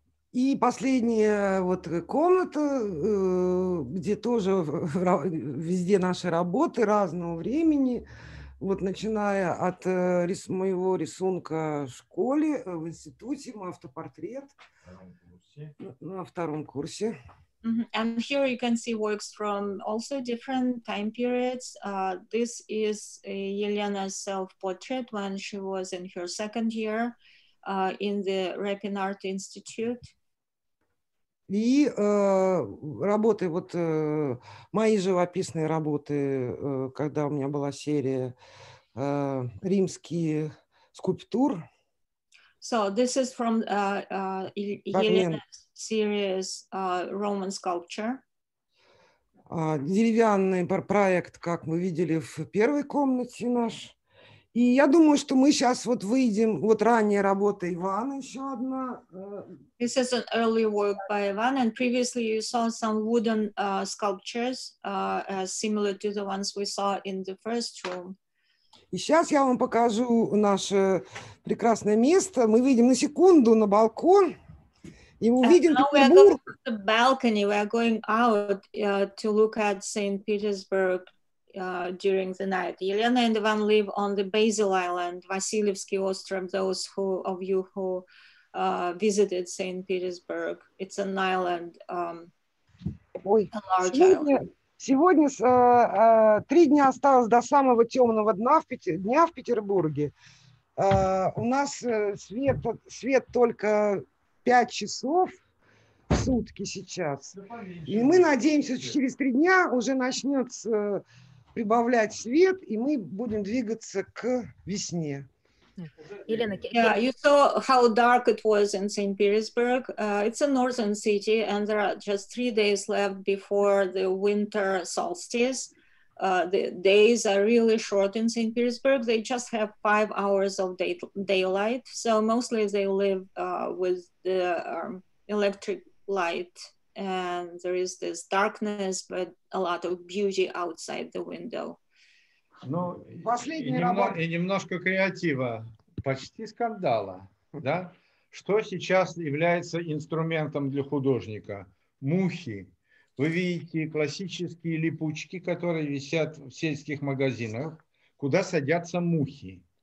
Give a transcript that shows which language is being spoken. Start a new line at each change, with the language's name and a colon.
Russian: И последняя вот комната, где тоже везде наши работы разного времени, вот начиная от моего рисунка в школе, в институте, мой автопортрет на втором курсе. Mm-hmm.
English: And here you can see works from also different time periods. This is Елена's self-portrait when she was in her second year in the Repin Art Institute.
Russian: И работы, вот мои живописные работы, когда у меня была серия римские скульптур.
English: So this is from Елена's series Roman sculpture.
Russian: Деревянный проект, как мы видели в первой комнате наш. И я думаю, что мы сейчас вот выйдем, вот ранняя работа Ивана еще одна.
English: This is an early work by Ivan, and previously you saw some wooden sculptures similar to the ones we saw in the first room.
Russian: И сейчас я вам покажу наше прекрасное место. Мы выйдем на секунду на балкон и увидим Петербург.
English: And now we are going to the balcony. We are going out to look at St. Petersburg. During the night. Елена and Иван live on the Basil Island, Васильевский остров, those who of you who visited St. Petersburg. It's an island, a large
Russian: сегодня,
English: island.
Russian: Сегодня три дня осталось до самого темного дня в Петербурге. У нас свет только 5 часов в сутки сейчас. И мы надеемся, что через три дня уже начнется прибавлять свет, и мы будем двигаться к весне.
English: Елена, yeah, you saw how dark it was in St. Petersburg. It's a northern city, and there are just 3 days left before the winter solstice. The days are really short in St. Petersburg. They just have 5 hours of daylight. So mostly they live with the electric light, and there is this darkness, but a lot of beauty outside the window.
Russian: Ну, и немножко креатива, почти скандала, да? Что сейчас является инструментом для художника? Мухи. Вы видите классические липучки, которые висят в сельских магазинах, куда садятся мухи.